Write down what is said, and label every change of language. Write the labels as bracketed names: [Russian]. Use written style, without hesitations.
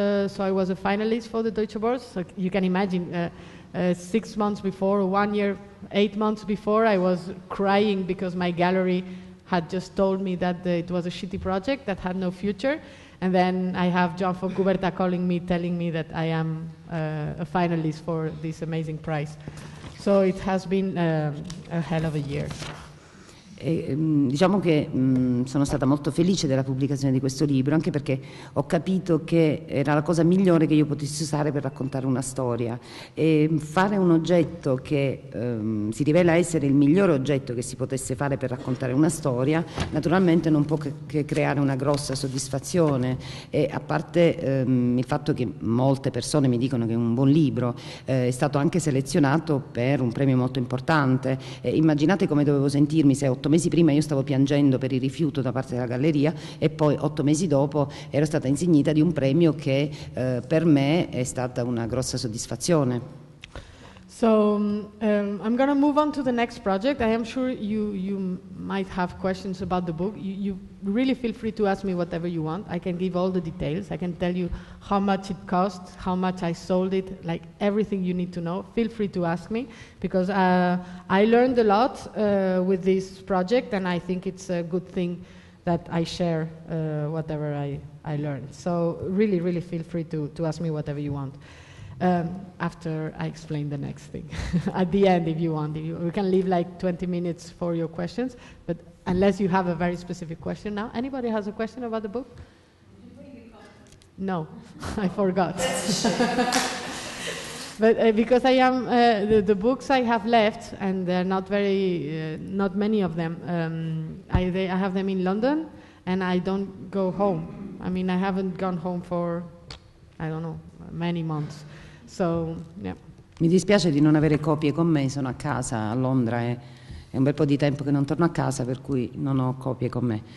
[English] So I was a finalist for the Deutsche Börse. So you can imagine, 6 months before, 1 year, 8 months before, I was crying because my gallery had just told me that it was a shitty project that had no future. And then I have Joan Fontcuberta calling me, telling me that I am a finalist for this amazing prize. So it has been a hell of a year. [Italian] E, diciamo che sono stata molto felice della pubblicazione di questo libro, anche perché ho capito che era la cosa migliore che io potessi usare per raccontare una storia. E fare un oggetto che si rivela essere il migliore oggetto che si potesse fare per raccontare una storia, naturalmente non può che creare una grossa soddisfazione. E a parte il fatto che molte persone mi dicono che è un buon libro, è stato anche selezionato per un premio molto importante. E immaginate come dovevo sentirmi se 8 mesi prima io stavo piangendo per il rifiuto da parte della galleria, e poi 8 mesi dopo ero stata insignita di un premio che per me è stata una grossa soddisfazione. [English] So I'm going to move on to the next project. I am sure you might have questions about the book. You really feel free to ask me whatever you want. I can give all the details. I can tell you how much it cost, how much I sold it, like everything you need to know. Feel free to ask me, because I learned a lot with this project, and I think it's a good thing that I share whatever I learned. So really, really feel free to ask me whatever you want. After I explain the next thing, at the end, if you want. We can leave like 20 minutes for your questions, but unless you have a very specific question now. Anybody has a question about the book? No, I forgot. But because I am, the books I have left, and they're not very, not many of them, I have them in London, and I don't go home. I mean, I haven't gone home for, I don't know, many months. So, yeah. [Italian] Mi dispiace di non avere copie con me, sono a casa a Londra, è un bel po' di tempo che non torno a casa, per cui non ho copie con me.